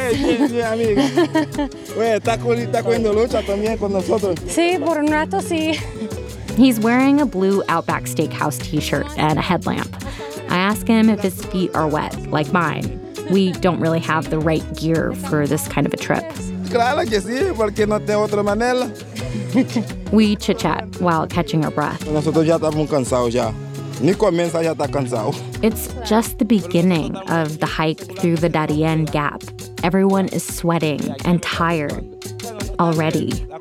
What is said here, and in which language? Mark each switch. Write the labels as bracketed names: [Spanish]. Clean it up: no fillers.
[Spanish] Está cogiendo lucha también con nosotros. Sí, por un rato, sí. [English] He's wearing a blue Outback Steakhouse t-shirt and a headlamp. I ask him if his feet are wet, like mine. We don't really have the right gear for this kind of a trip. [Spanish] Claro que sí, porque no tengo otra manera. [English] We chit-chat while catching our breath. It's just the beginning of the hike through the Darién Gap. Everyone is sweating and tired already.